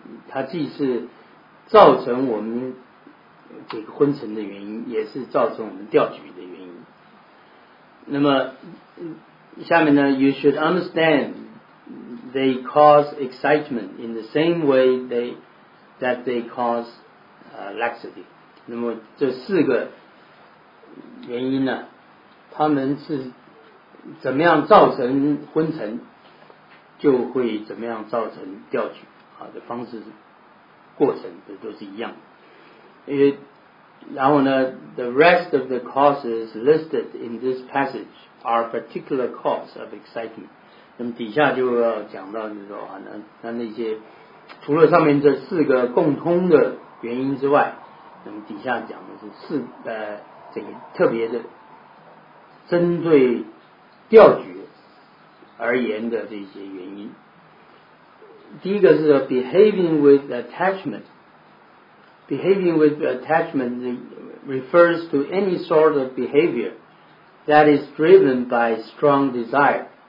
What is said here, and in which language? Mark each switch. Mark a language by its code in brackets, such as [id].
[zh] 它既是造成我们这个昏沉的原因，也是造成我们掉举的原因。那么下面呢， [en] You should understand they cause excitement in the same way that they cause laxity. [zh] 那么这四个原因呢，它们是怎么样造成昏沉，就会怎么样造成调取好的方式过程都是一样的。然后呢， [en] the rest of the causes listed in this passage are particular cause of excitement. [zh] 那么底下就要讲到就是说、那些除了上面这四个共通的原因之外，那么底下讲的是四这个特别的针对调取而言的这些原因。第一个是 [en] behaving with attachment refers to any sort of behavior that is driven by strong desire.